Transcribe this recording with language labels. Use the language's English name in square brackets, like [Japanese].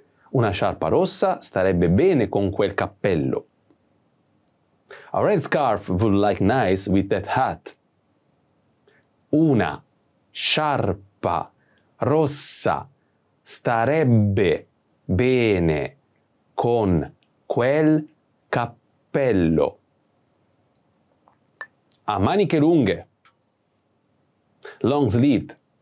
[Italian] Una sciarpa rossa starebbe bene con quel cappello. [English] A red scarf would like nice with that hat. [Italian] Una sciarpa rossa starebbe bene con quel cappello. A maniche lunghe. [English] Long sleeve.